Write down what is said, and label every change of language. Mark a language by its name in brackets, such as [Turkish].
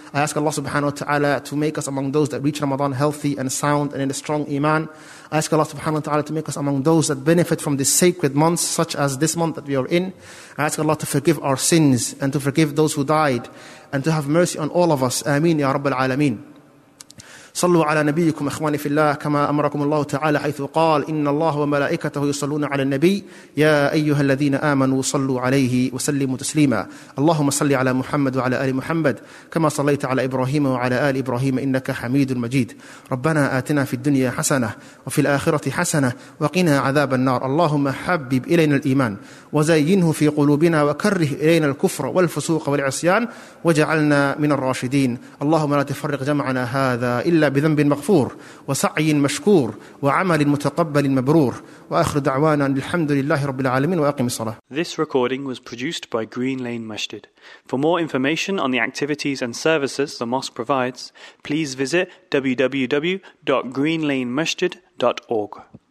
[English] I ask Allah subhanahu wa ta'ala to make us among those that reach Ramadan healthy and sound and in a strong iman. I ask Allah subhanahu wa ta'ala to make us among those that benefit from this sacred month, such as this month that we are in. I ask Allah to forgive our sins and to forgive those who died and to have mercy on all of us. [Arabic] Ameen ya Rabbil Alameen. صلوا على نبيكم إخواني في الله كما أمركم الله تعالى حيث قال إن الله وملائكته يصلون على النبي يا أيها الذين آمنوا صلوا عليه وسلموا تسليما اللهم صل على محمد وعلى آل محمد كما صليت على إبراهيم وعلى آل إبراهيم إنك حميد مجيد ربنا آتنا في الدنيا حسنة وفي الآخرة حسنة وقنا عذاب النار اللهم حبب إلينا الإيمان وزينه في قلوبنا وكره إلينا الكفر والفسوق والعصيان وجعلنا من الراشدين اللهم لا تفرق جمعنا هذا إلا بذنب مغفور وسعي مشكور وعمل متقبل مبرور وآخر دعوانا الحمد لله رب العالمين وأقم الصلاة. [English] This recording was produced by Green Lane Masjid. For more information on the activities and services the mosque provides, please visit www.greenlanemasjid.org.